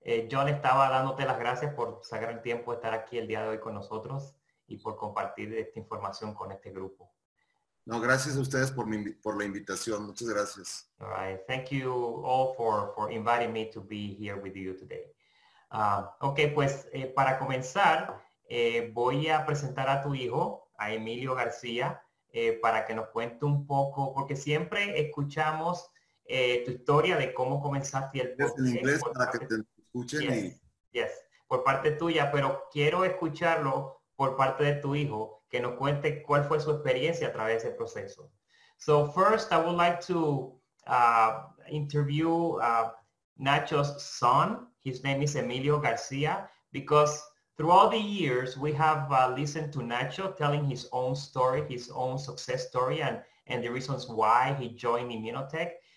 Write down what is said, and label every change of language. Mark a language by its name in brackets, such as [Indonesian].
[Spanish] John estaba dándote las gracias por sacar el tiempo de estar aquí el día de hoy con nosotros y por compartir esta información con este grupo. No, gracias a ustedes por la invitación. Muchas gracias. [English] All right. Thank you all for inviting me to be here with you today. [Spanish] Okay, pues para comenzar, voy a presentar a tu hijo, a Emilio García, para que nos cuente un poco, porque siempre escuchamos tu historia de cómo comenzaste el podcast. En inglés para que te... Escuchen yes, por parte tuya, pero quiero escucharlo por parte de tu hijo, que nos cuente cuál fue su experiencia a través de ese proceso. [English] So first, I would like to interview Nacho's son. His name is Emilio García, because throughout the years, we have listened to Nacho telling his own story, his own success story, and the reasons why he joined Immunotech.